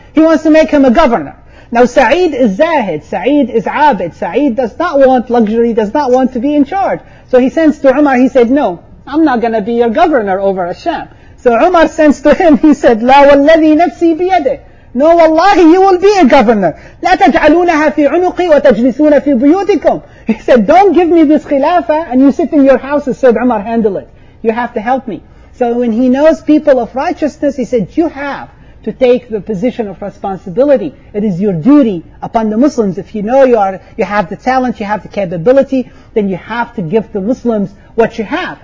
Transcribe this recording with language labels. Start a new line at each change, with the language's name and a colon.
English: He wants to make him a governor. Now Sa'id is Zahid, Sa'id is Abid. Sa'id does not want luxury, does not want to be in charge. So he sends to Umar, he said, no, I'm not going to be your governor over Asham. So Umar sends to him, he said,
Arabic: لا والذي نفسي بيده.
English: No, wallahi, you will be a governor.
Arabic: لا تجعلونها في عنقي وتجلسون في بيوتكم.
English: He said, don't give me this khilafa and you sit in your house. He said, Umar, handle it. You have to help me. So when he knows people of righteousness, he said, you have to take the position of responsibility. It is your duty upon the Muslims. If you know you have the talent, you have the capability, then you have to give the Muslims what you have.